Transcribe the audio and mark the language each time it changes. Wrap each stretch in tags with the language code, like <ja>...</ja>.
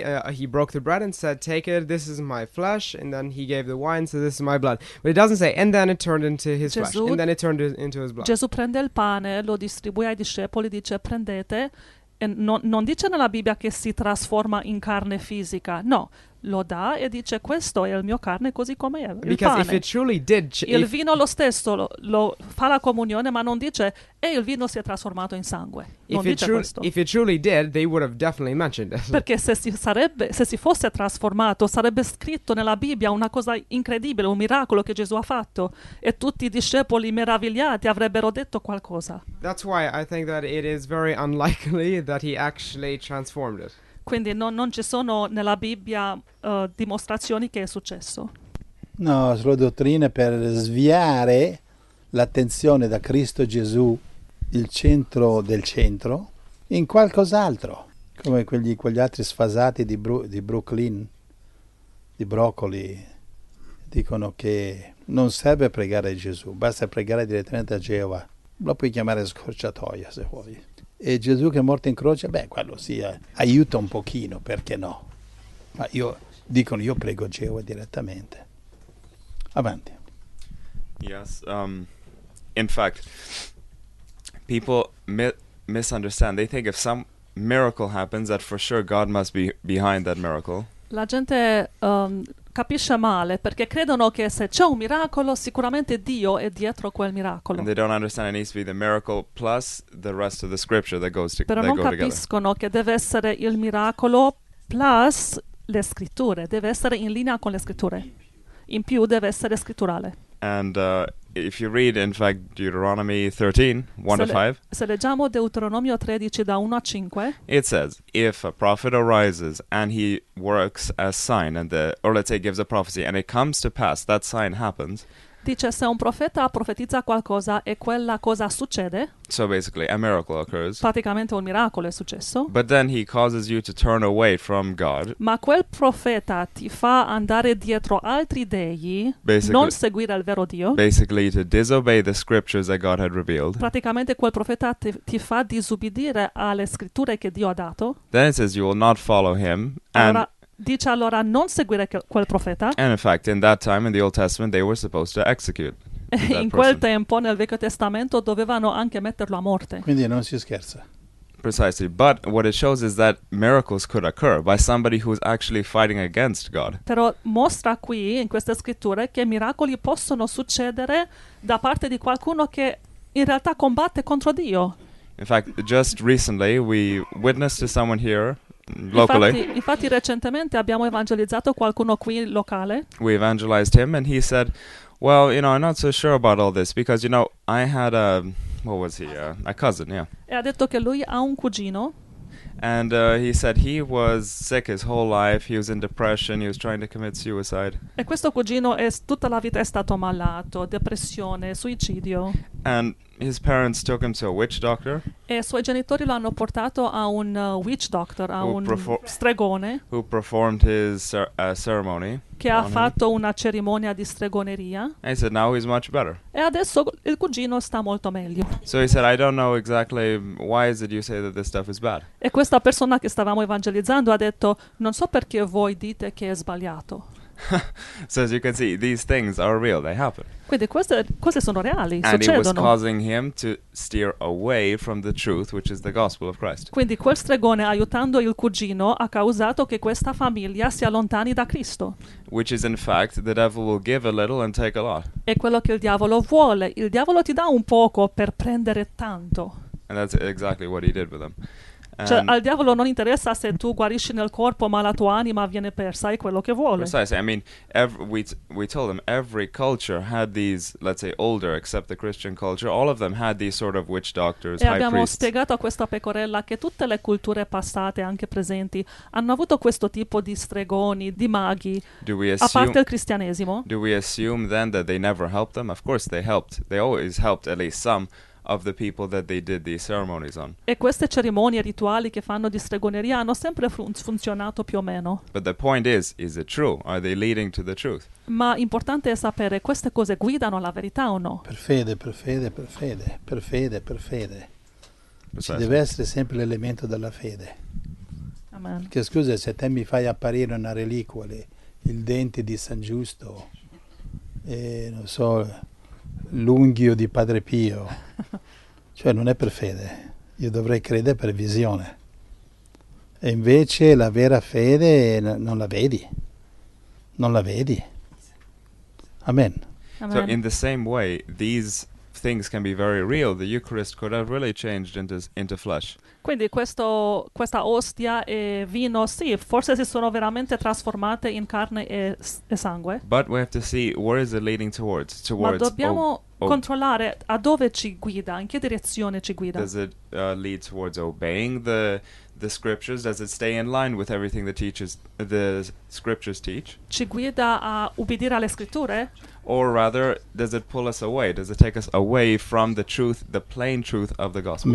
<en>He broke the bread and said, take it, this is my flesh, and then he gave the wine, so this is my blood. But it doesn't say, and then it turned into his</en> <it>Gesù,</it> <en>flesh, and then it turned into his blood.</en> <it>Gesù prende il pane, lo distribuì ai discepoli, dice, prendete... E non dice nella Bibbia che si trasforma in carne fisica, no, lo dà e dice questo è il mio carne così come è, il</it> <en>Because</en> <it>pane.</it> <en>If it truly did</en> <it>il vino lo stesso, lo fa la comunione ma non dice e il vino si è trasformato in sangue, non dice questo.</it> <en>If it truly did, they would have definitely mentioned it.</en> <it>Perché se si fosse trasformato sarebbe scritto nella Bibbia una cosa incredibile, un miracolo che Gesù ha fatto e tutti i discepoli meravigliati avrebbero detto qualcosa.</it> <en>That's why I think that it is very unlikely that he actually transformed it.</en> <it>Quindi non ci sono nella Bibbia dimostrazioni che è successo. No, solo dottrine per sviare l'attenzione da Cristo Gesù, il centro del centro, in qualcos'altro, come quegli altri sfasati di Brooklyn, di Broccoli, dicono che non serve pregare Gesù, basta pregare direttamente a Geova. Lo puoi chiamare scorciatoia se vuoi. E Gesù che è morto in croce, beh, quello sì, aiuta un pochino, perché no? Ma io prego Geova direttamente. Avanti.</it> <en>Yes, in fact, people misunderstand. They think if some miracle happens, that for sure God must be behind that miracle.</en> <it>La gente capisce male, perché credono che se c'è un miracolo, sicuramente Dio è dietro quel miracolo.</it> <en>And they don't understand it needs to be the miracle plus the rest of the scripture that goes together.</en> <it>Però non capiscono che deve essere il miracolo plus le scritture, deve essere in linea con le scritture. In più deve essere scritturale.</it> <en>And if you read, in fact, Deuteronomy 13, 1-5,</en> <it>se leggiamo Deuteronomio 13, da 1 a 5,</it> <en>it says, if a prophet arises and he works a sign, or let's say gives a prophecy, and it comes to pass, that sign happens.</en> <it>Dice, se un profeta profetizza qualcosa e quella cosa succede,</it> <en>so basically, a miracle occurs,</en> <it>praticamente un miracolo è successo,</it> <en>but then he causes you to turn away from God,</en> <it>ma quel profeta ti fa andare dietro altri dei, non seguire il vero Dio,</it> <en>basically to disobey the scriptures that God had revealed,</en> <it>praticamente quel profeta ti fa disubbidire alle scritture che Dio ha dato,</it> <en>then it says you will not follow him, and...</en> <it>Dice allora non seguire quel profeta.</it> <en>And in fact, in that time in the Old Testament they were supposed to execute.</en> <it>In quel tempo nel Vecchio Testamento dovevano anche metterlo a morte. Quindi non si scherza.</it> <en>Precisely, but what it shows is that miracles could occur by somebody who is actually fighting against God.</en> <it>Però mostra qui in queste scritture che miracoli possono succedere da parte di qualcuno che in realtà combatte contro Dio.</it> <en>In fact, just recently we witnessed to someone here.</en> <it>Infatti recentemente abbiamo evangelizzato qualcuno qui locale.</it> <en>We evangelized him and he said, well, you know, I'm not so sure about all this because, you know, I had a, what was he, a cousin, yeah.</en> <it>E ha detto che lui ha un cugino.</it> <en>And he said he was sick his whole life, he was in depression, he was trying to commit suicide.</en> <it>E questo cugino tutta la vita è stato malato, depressione, suicidio.</it> <en>And his parents took him to a witch doctor.</en> <it>E suoi genitori lo hanno portato a un</it> <en>witch doctor,</en> <it>a un stregone.</it> <en>Who performed his ceremony.</en> <it>Che ha fatto una cerimonia di stregoneria.</it> <en>And he said, now he's much better.</en> <it>E adesso il cugino sta molto meglio.</it> <en>So he said, I don't know exactly why is it you say that this stuff is bad.</en> <it>E questa persona che stavamo evangelizzando ha detto, non so perché voi dite che è sbagliato.</it> <en>So as you can see, these things are real, they happen.</en> <it>Quindi queste cose sono reali,</it> <en>and</en> <it>succedono.</it> <en>And it was causing him to steer away from the truth, which is the gospel of Christ.</en> <it>Quindi quel stregone, aiutando il cugino, ha causato che questa famiglia si allontani da Cristo.</it> <en>Which is in fact, the devil will give a little and take a lot.</en> <it>È quello che il diavolo vuole. Il diavolo ti dà un poco per prendere tanto.</it> <en>And that's exactly what he did with them.</en> <it>Cioè, al diavolo non interessa se tu guarisci nel corpo, ma la tua anima viene persa, è quello che vuole.</it> <en>Precisely. I mean, we told them every culture had these, let's say, older, except the Christian culture, all of them had these sort of witch doctors,</en> <it>e abbiamo spiegato a questa pecorella che tutte le culture passate, anche presenti, hanno avuto questo tipo di stregoni, di maghi, a parte il cristianesimo.</it> <en>Do we assume then that they never helped them? Of course they helped. They always helped, at least some, of the people that they did these ceremonies on.</en> <it>E queste cerimonie rituali che fanno di stregoneria hanno sempre funzionato più o meno.</it> <en>But the point is it true? Are they leading to the truth?</en> <it>Ma importante è sapere queste cose guidano alla verità o no? Per fede. Ci deve essere sempre l'elemento della fede. Amen. Che scusa se te mi fai apparire una reliquia, il dente di San Giusto e non so l'unghio di Padre Pio, cioè non è per fede, io dovrei credere per visione, e invece la vera fede non la vedi. Amen.</it> <en>So in the same way these things can be very real, the Eucharist could have really changed into flesh.</en> <it>Quindi questa ostia e vino, sì, forse si sono veramente trasformate in carne e sangue.</it> <en>But we have to see where is it leading towards? Towards</en> <it>ma dobbiamo controllare a dove ci guida, in che direzione ci guida.</it> <en>Does it lead towards obeying the scriptures? Does it stay in line with everything the scriptures teach?</en> <it>Ci guida a ubbidire alle scritture?</it> <en>Or rather, does it pull us away? Does it take us away from the truth, the plain truth of the gospel?</en>